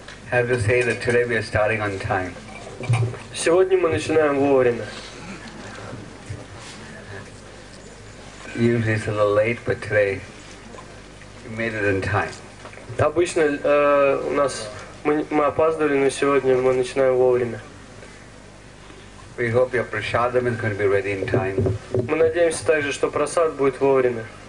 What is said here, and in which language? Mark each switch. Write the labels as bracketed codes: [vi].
[en] Have to say that today we are starting on time. [ru] Сегодня мы начинаем вовремя. [en] Usually it's a little late, but today we made it in time. [ru] Обычно у нас мы опаздывали, но сегодня мы начинаем вовремя. [en] We hope your prasadam is going to be ready in time. [ru] Мы надеемся также, что просад будет вовремя.